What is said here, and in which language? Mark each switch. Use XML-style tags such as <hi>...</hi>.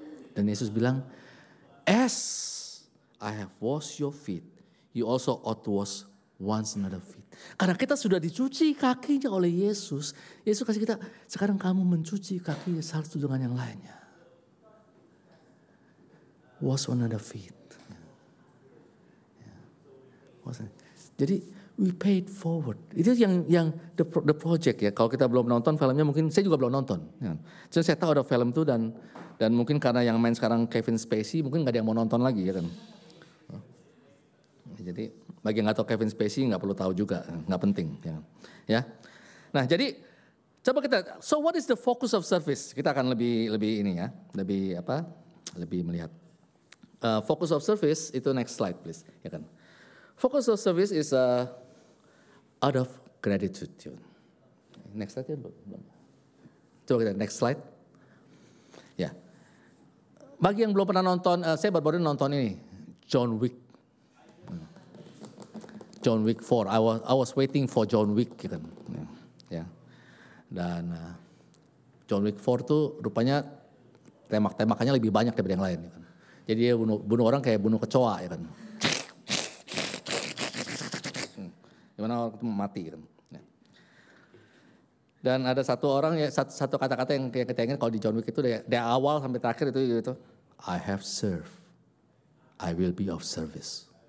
<id>Dan Yesus bilang,</id> <en>as I have washed your feet, you also ought to wash one another's feet.</en> <id>Karena kita sudah dicuci kakinya oleh Yesus, Yesus kasih kita, sekarang kamu mencuci kaki satu dengan yang lainnya.</id> <en>Wash one another's feet. Jadi we paid forward.</en> <id>Itu yang</id> <en>the project ya.</en> <id>Kalau kita belum nonton filmnya, mungkin saya juga belum nonton. Cuma saya tahu ada film itu dan mungkin karena yang main sekarang Kevin Spacey, mungkin nggak ada yang mau nonton lagi ya kan. Jadi bagi yang nggak tahu Kevin Spacey nggak perlu tahu juga, nggak penting ya. Nah jadi coba kita.</id> <en>So what is the focus of service?</en> <id>Kita akan lebih ini ya, lebih apa? Lebih melihat</id> <en>focus of service itu next slide please ya kan. Focus of service is out of gratitude.</en> <id>Next slide ya, coba kita</id> <en>next slide.</en> <id>Ya, bagi yang belum pernah nonton, saya baru-baru nonton ini John Wick.</id> <en>John Wick 4. I was waiting for John Wick, gitu.</en> <id>Ya, dan John Wick 4 tuh rupanya tembak-tembakannya lebih banyak daripada yang lain. Gitu. Jadi dia bunuh orang kayak bunuh kecoa, ya kan? Gimana orang itu mati kan. Dan ada satu orang ya, satu kata-kata yang kita ingin kalau di John Wick itu dari awal sampai terakhir itu gitu.</id> <en>I have served, I will be of service.</en>